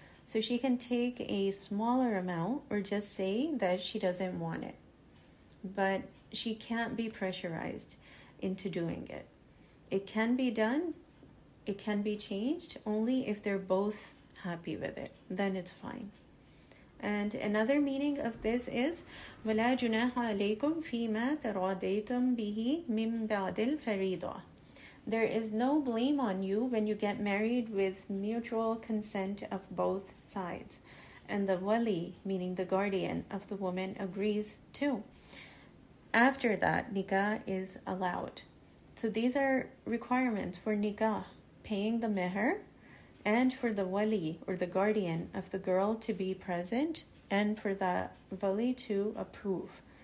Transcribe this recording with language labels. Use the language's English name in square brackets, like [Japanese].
[English] So she can take a smaller amount or just say that she doesn't want it. But she can't be pressurized into doing it. It can be done, it can be changed, only if they're both happy with it. Then it's fine. [Arabic] And another meaning of this is وَلَا جُنَاحَ عَلَيْكُمْ فِيمَا تَرَادَيْتُمْ بِهِ مِنْ بَعْدِ الْفَرِيضَةِ. [English] There is no blame on you when you get married with mutual consent of both sides. And the wali, meaning the guardian of the woman, agrees too. After that, nikah is allowed. So these are requirements for nikah, paying the mehr, and for the wali, or the guardian, of the girl to be present, and for the wali to approve.